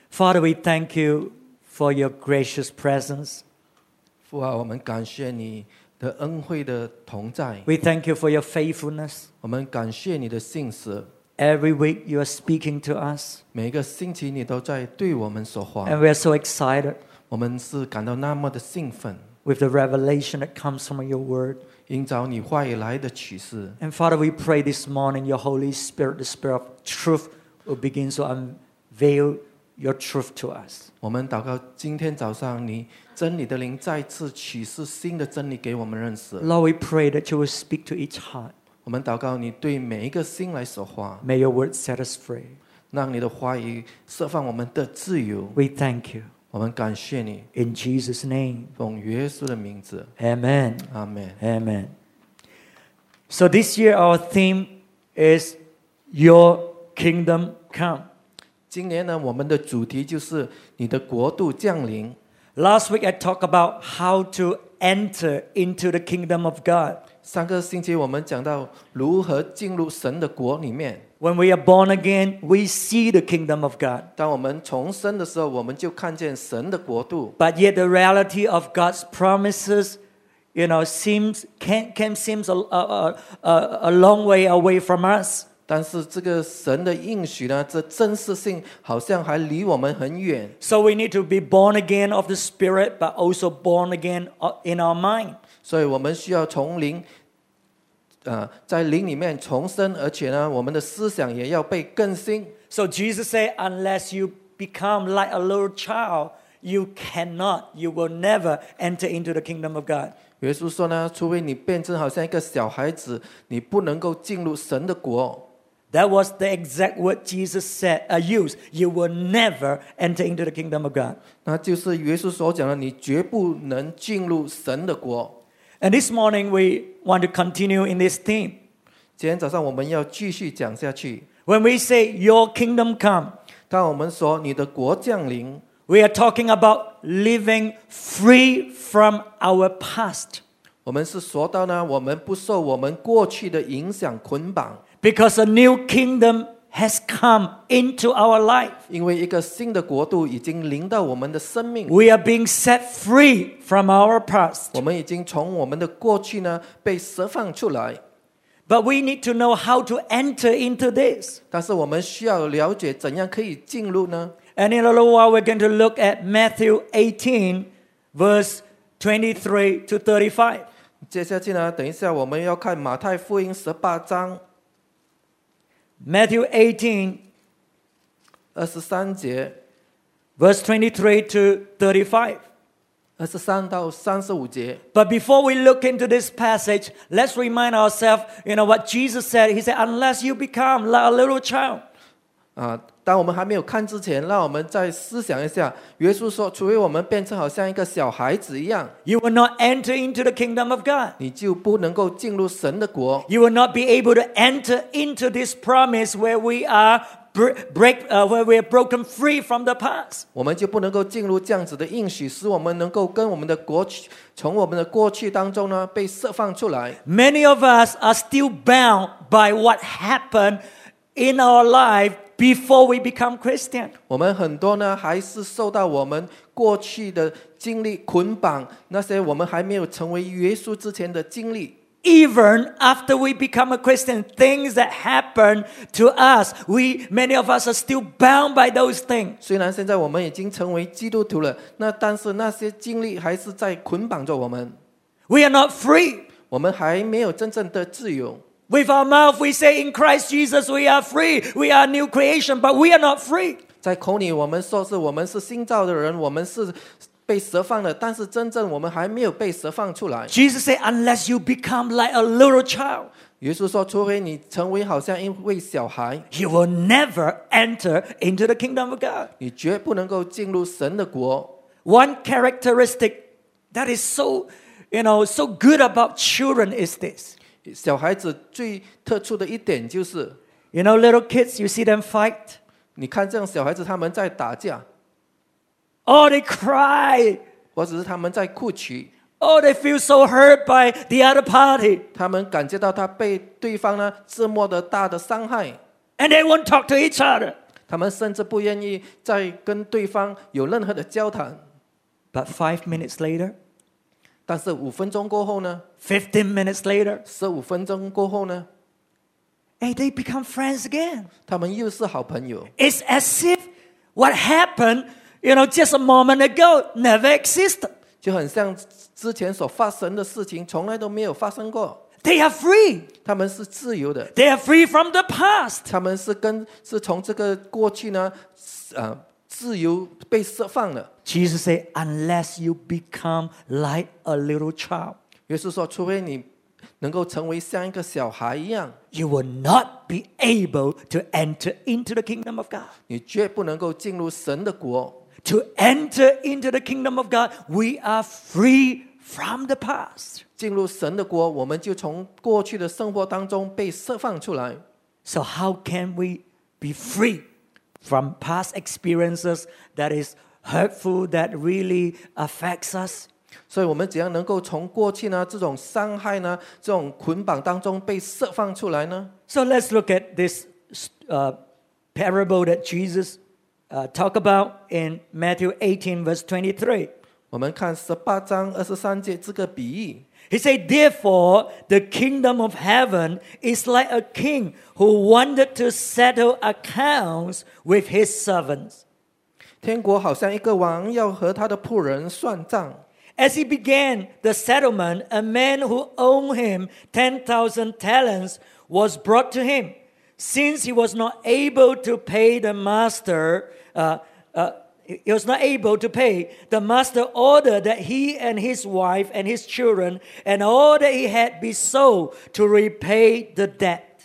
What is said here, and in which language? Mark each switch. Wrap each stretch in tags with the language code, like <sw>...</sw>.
<en>Father, we thank you for your gracious presence.</en> <zh>父啊，我们感谢你的恩惠的同在。</zh> <en>We thank you for your faithfulness.</en> <zh>我们感谢你的信实。</zh> <en>Every week you are speaking to us.</en> <zh>每个星期你都在对我们说话。</zh> <en>And we are so excited.</en> <zh>我们是感到那么的兴奋。</zh> <en>With the revelation that comes from your word.</en> <zh>因着你话语来的启示。</zh> <en>And Father, we pray this morning your Holy Spirit, the Spirit of truth, will begin to unveil your truth to us.</en> <zh>我们祷告今天早上你真理的灵再次启示新的真理给我们认识。</zh> <en>Lord, we pray that you will speak to each heart.</en> <zh>我们祷告你对每一个心来说话。</zh> <en>May your word set us free.</en> <zh>让你的话语释放我们的自由。</zh> <en>We thank you.</en> <zh>我们感谢你。</zh> <en>In Jesus' name.</en> <zh>奉耶稣的名字。</zh> <en>Amen. Amen. Amen. So this year our theme is Your Kingdom Come.</en> <zh>今年呢，我们的主题就是你的国度降临。</zh> <en>Last week I talked about how to enter into the kingdom of God.</en> <zh>上个星期我们讲到如何进入神的国里面。</zh> <en>When we are born again, we see the kingdom of God.</en> <zh>当我们重生的时候，我们就看见神的国度。</zh> <en>But yet the reality of God's promises, you know, seems a long way away from us.</en> <zh>但是这个神的应许呢，这真实性好像还离我们很远。</zh> <en>So we need to be born again of the Spirit, but also born again in our mind.</en> <zh>所以我们需要从灵，在灵里面重生，而且呢，我们的思想也要被更新。</zh> <en>So Jesus said, unless you become like a little child, you cannot, you will never enter into the kingdom of God.</en> <zh>耶稣说呢，除非你变成好像一个小孩子，你不能够进入神的国。</zh> <en>That was the exact word Jesus said, used. You will never enter into the kingdom of God.</en> <zh>那就是耶稣所讲的，你绝不能进入神的国。</zh> <en>And this morning we want to continue in this theme.</en> <zh>今天早上我们要继续讲下去。</zh> <en>When we say your kingdom come,</en> <zh>当我们说你的国降临，</zh> <en>we are talking about living free from our past.</en> <zh>我们是说到呢，我们不受我们过去的影响捆绑。</zh> <en>Because a new kingdom has come into our life.</en> <zh>因为一个新的国度已经临到我们的生命。</zh> <en>We are being set free from our past.</en> <zh>我们已经从我们的过去呢被释放出来。</zh> <en>But we need to know how to enter into this.</en> <zh>但是我们需要了解怎样可以进入呢？</zh> <en>And in a little while, we're going to look at Matthew 18, verse 23 to 35.</en> <zh>接下去呢，等一下我们要看马太福音十八章。</zh> <en>Matthew 18,</en> <zh>23节</zh> <en>verse 23 to 35.</en> <zh>23到35节</zh> <en>But before we look into this passage, let's remind ourselves, you know, what Jesus said. He said, unless you become like a little child.</en> <zh>当我们还没有看之前，让我们再思想一下。耶稣说，除非我们变成好像一个小孩子一样，</zh> <en>You will not enter into the kingdom of God.</en> <zh>你就不能够进入神的国。</zh> <en>You will not be able to enter into this promise where we are where we are broken free from the past.</en> <zh>我们就不能够进入这样子的应许，使我们能够跟我们的国去，从我们的过去当中呢被释放出来。</zh> <en>Many of us are still bound by what happened in our lifeBefore we become Christian,</en> <zh>我们很多呢还是受到我们过去的经历捆绑，那些我们还没有成为耶稣之前的经历。</zh> <en>Even after we become a Christian, things that happen to us, many of us are still bound by those things.</en> <zh>虽然现在我们已经成为基督徒了，那但是那些经历还是在捆绑着我们。</zh> <en>We are not free.</en> <zh>我们还没有真正的自由。</zh> <en>With our mouth, we say in Christ Jesus, we are free. We are new creation, but we are not free.</en> <zh>在口里我们说是我们是新造的人，我们是被释放的，但是真正我们还没有被释放出来。</zh> <en>Jesus said, unless you become like a little child,</en> <zh>耶稣说，除非你成为好像一位小孩，</zh> <en>you will never enter into the kingdom of God.</en> <zh>你绝不能够进入神的国。</zh> <en>One characteristic that is so, you know, so good about children is this.</en> <zh>小孩子最特殊的一点就是</zh> <en>You know little kids, you see them fight.</en> <zh>你看这样小孩子他们在打架。</zh> <en>Oh, they cry.</en> <zh>或者是他们在哭泣。</zh> <en>Oh, they feel so hurt by the other party.</en> <zh>他们感觉到他被对方呢这么的大的伤害。</zh> <en>And they won't talk to each other.</en> <zh>他们甚至不愿意再跟对方有任何的交谈。</zh> <en>But 5 minutes later,</en> <zh>但是五分钟过后呢</zh> <en>？15 minutes later,</en> <zh>十五分钟过后呢</zh> <en>？Hey, they become friends again.</en> <zh>他们又是好朋友。</zh> <en>It's as if what happened, you know, just a moment ago, never existed.</en> <zh>就很像之前所发生的事情从来都没有发生过。</zh> <en>They are free.</en> <zh>他们是自由的。</zh> <en>They are free from the past.</en> <zh>他们是从这个过去呢，自由被释放了。</zh> <en>Jesus said, "Unless you become like a little child,"</en> <zh>耶稣说，除非你能够成为像一个小孩一样</zh> <en>，you will not be able to enter into the kingdom of God.</en> <zh>你绝不能够进入神的国。</zh> <en>To enter into the kingdom of God, we are free from the past.</en> <zh>进入神的国，我们就从过去的生活当中被释放出来。</zh> <en>So how can we be free from past experiences that is? Hurtful that really affects us.</en> <zh>所以我们怎样能够从过去呢这种伤害呢这种捆绑当中被释放出来呢</zh> <en>So let's look at this parable that Jesus talked about in Matthew 18 verse 23.</en> <zh>我们看十八章二十三节这个比喻</zh> <en>He said, Therefore, the kingdom of heaven is like a king who wanted to settle accounts with his servants.</en> <zh>天国好像一个王要和他的仆人算账。</zh> <en>As he began the settlement, a man who owed him 10,000 talents was brought to him. Since he was not able to pay the master, the master ordered that he and his wife and his children and all that he had be sold to repay the debt.</en>